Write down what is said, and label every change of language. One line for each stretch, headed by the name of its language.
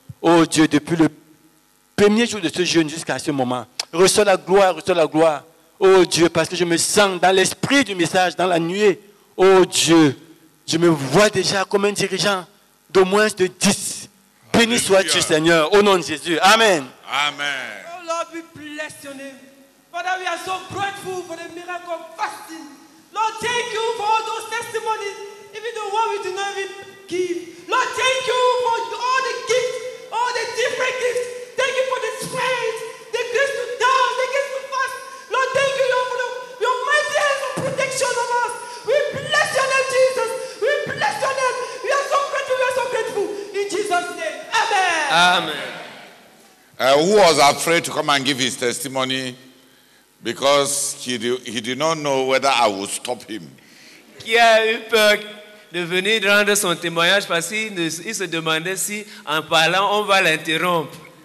French: Ô Dieu, depuis le premier jour de ce jeûne jusqu'à ce moment, reçois la gloire, reçois la gloire. Ô Dieu, parce que je me sens dans l'esprit du message, dans la nuée. Ô Dieu, je me vois déjà comme un dirigeant d'au moins de 10. Béni sois-tu, Seigneur, au nom de Jésus. Amen. Amen.
English: Oh Lord, we bless your name. Father, we are so grateful for the miracle of fasting. Lord, thank you for all those testimonies, even the one we do not even give. Lord, thank you for all the gifts, all the different gifts. Thank you for the strength, the grace to dance, the grace to fast. Lord, thank you, Lord, for your mighty hands of protection of us. We bless your name, Jesus. We bless your name. We are so grateful. We are so grateful. In Jesus' name. Amen. Amen. Who was afraid to come and give his testimony? Because he did not know whether I would stop him.
French: Qui a eu peur de venir rendre son témoignage parce qu'il se demandait si en parlant on va l'interrompre.